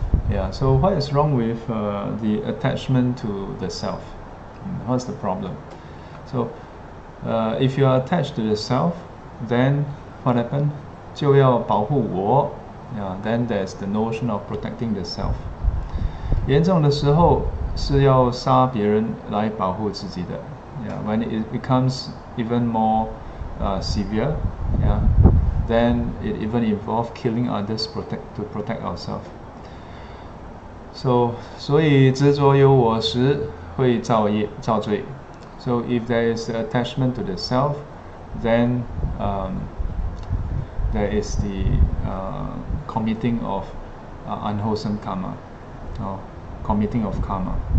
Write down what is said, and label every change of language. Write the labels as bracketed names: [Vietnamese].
[English] Yeah, so what is wrong with the attachment to the self? What's the problem? So, if you are attached to the self, then what happened? [Chinese] 就要保护我。 [English] Yeah, then there's the notion of protecting the self. [Chinese] 严重的时候是要杀别人来保护自己的。 [English] Yeah, when it becomes even more severe, yeah, then it even involves killing others to protect ourselves. [Chinese] So 执着有我时会造业造罪。 [English] So if there is the attachment to the self, then there is the committing of unwholesome karma, or committing of karma.